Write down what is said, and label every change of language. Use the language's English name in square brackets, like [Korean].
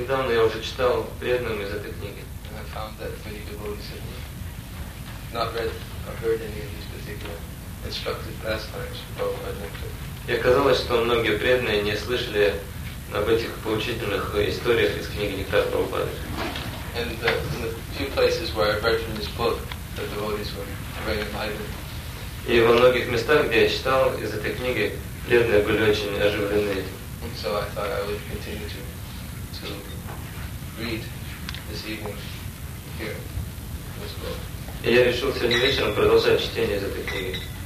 [Russian] Недавно я уже читал преданным из этой книги. [English] And I found that many devotees have not read or heard any of these particular instructed pastimes from Prabhupada Nectar. [Russian] И оказалось, что многие преданные не слышали об этих поучительных историях из книги Нектар Прабхупады. [English] And in the few places where I've read from this book, the devotees were very enlightened. [Russian] И во многих местах, где я читал из этой книги, преданные были очень оживлены этим. [English] So I thought I would continue to read this evening here in this book. [Russian] И я решил сегодня вечером продолжать чтение из этой книги.